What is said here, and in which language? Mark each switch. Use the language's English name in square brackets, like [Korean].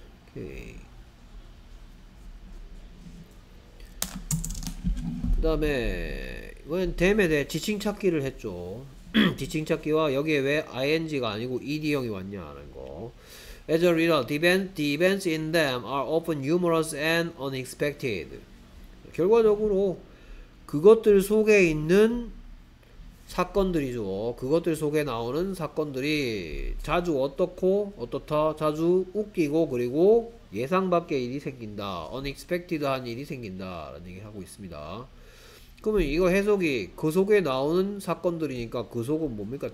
[Korean] 오케이. 그다음에 이건 댐에 대해 지칭 찾기를 했죠. 지칭 찾기와 여기에 왜 ing가 아니고 ed형이 왔냐라는 거. [English] As a result, the events in them are often humorous and unexpected. [Korean] 결과적으로 그것들 속에 있는 사건들이죠. 그것들 속에 나오는 사건들이 자주 어떻고 어떻다. 자주 웃기고 그리고 예상밖의 일이 생긴다. Unexpected한 일이 생긴다라는 얘기를 하고 있습니다. 그러면 이거 해석이 그 속에 나오는 사건들이니까 그 속은 뭡니까?